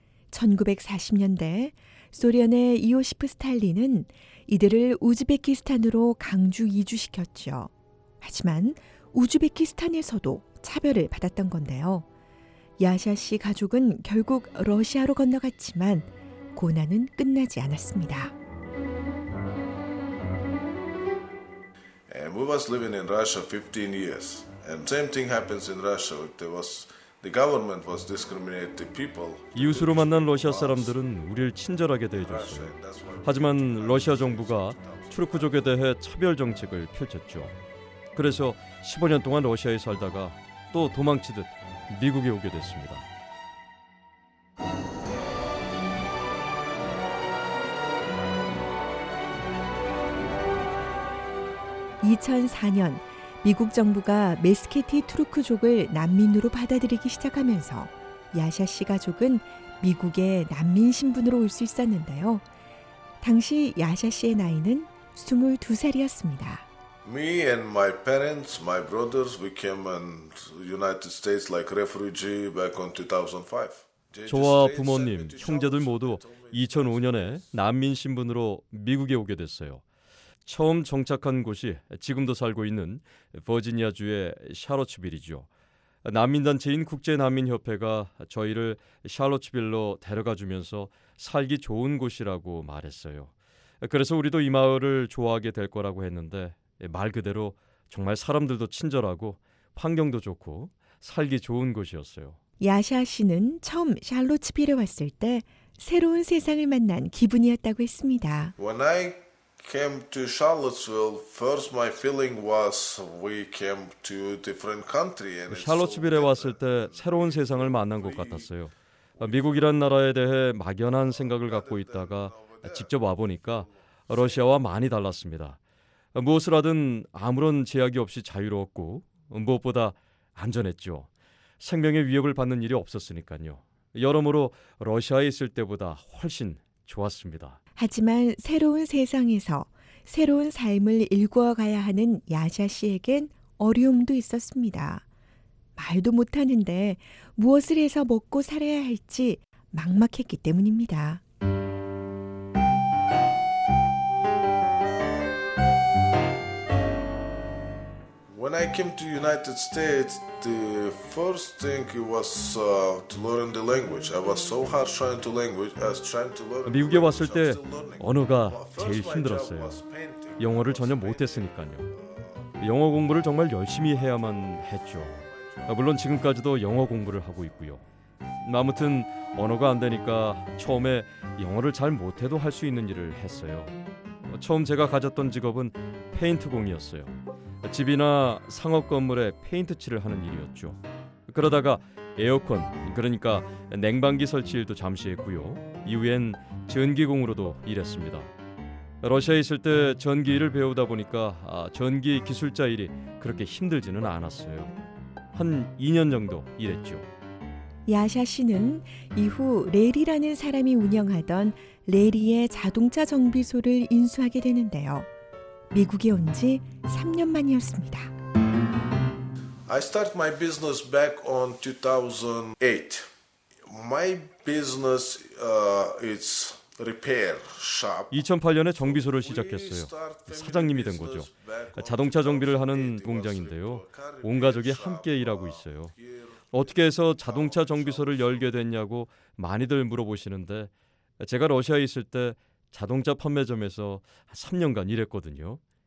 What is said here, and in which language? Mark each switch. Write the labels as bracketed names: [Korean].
[Korean] 1940년대 소련의 이오시프 스탈린은 이들을 우즈베키스탄으로 강주 이주시켰죠. 하지만 우즈베키스탄에서도 차별을 받았던 건데요. 야샤 씨 가족은 결국 러시아로 건너갔지만 고난은 끝나지 않았습니다. [English] And we was living in Russia 15 years. And same thing happens in Russia. There was the government was discriminating people. [Korean] 이웃으로 만난 러시아 사람들은 우리를 친절하게 대해줬어요. 하지만 러시아 정부가 투르크족에 대해 차별 정책을 펼쳤죠. 그래서 15년 동안 러시아에 살다가 또 도망치듯 미국에 오게 됐습니다. 2004년 미국 정부가 메스케티 투르크족을 난민으로 받아들이기 시작하면서 야샤 씨 가족은 미국에 난민 신분으로 올 수 있었는데요. 당시 야샤 씨의 나이는 22살이었습니다. [English] Me and my parents, my brothers, we came in United States like refugee back on 2005. [Korean] 저와 부모님, 형제들 모두 2005년에 난민 신분으로 미국에 오게 됐어요. 처음 정착한 곳이 지금도 살고 있는 버지니아주의 샬롯츠빌이죠. 난민단체인 국제난민협회가 저희를 샬롯츠빌로 데려가주면서 살기 좋은 곳이라고 말했어요. 그래서 우리도 이 마을을 좋아하게 될 거라고 했는데 말 그대로 정말 사람들도 친절하고 환경도 좋고 살기 좋은 곳이었어요. 야샤 씨는 처음 샬롯츠빌에 왔을 때 새로운 세상을 만난 기분이었다고 했습니다. [English] When I came to Charlottesville. First, my feeling was we came to different country. [Korean] 샬롯츠빌에 왔을 때 새로운 세상을 만난 것 같았어요. 미국이란 나라에 대해 막연한 생각을 갖고 있다가 직접 와 보니까 러시아와 많이 달랐습니다. 무엇을 하든 아무런 제약이 없이 자유로웠고 무엇보다 안전했죠. 생명의 위협을 받는 일이 없었으니까요. 여러모로 러시아에 있을 때보다 훨씬 좋았습니다. 하지만 새로운 세상에서 새로운 삶을 일구어가야 하는 야샤 씨에겐 어려움도 있었습니다. 말도 못하는데 무엇을 해서 먹고 살아야 할지 막막했기 때문입니다. [English] When I came to United States, the first thing was to learn the language. I was so hard trying to language as trying to learn. [Korean] 미국에 왔을 때 언어가 제일 힘들었어요. 영어를 전혀 못했으니까요. 영어 공부를 정말 열심히 해야만 했죠. 물론 지금까지도 영어 공부를 하고 있고요. 아무튼 언어가 안 되니까 처음에 영어를 잘 못해도 할 수 있는 일을 했어요. 처음 제가 가졌던 직업은 페인트공이었어요. 집이나 상업 건물에 페인트칠을 하는 일이었죠. 그러다가 에어컨, 그러니까 냉방기 설치 일도 잠시 했고요. 이후엔 전기공으로도 일했습니다. 러시아에 있을 때 전기 일을 배우다 보니까 전기 기술자 일이 그렇게 힘들지는 않았어요. 한 2년 정도 일했죠. 야샤 씨는 이후 레리라는 사람이 운영하던 레리의 자동차 정비소를 인수하게 되는데요. 미국에 온 지 3년 만이었습니다. [English] I start my business back on 2008. My business is repair shop. [Korean] 2008년에 정비소를 시작했어요. 사장님이 된 거죠. 자동차 정비를 하는 공장인데요. 온 가족이 함께 일하고 있어요. 어떻게 해서 자동차 정비소를 열게 됐냐고 많이들 물어보시는데 제가 러시아에 있을 때 자동차 판매점에서 3년간 일했거든요.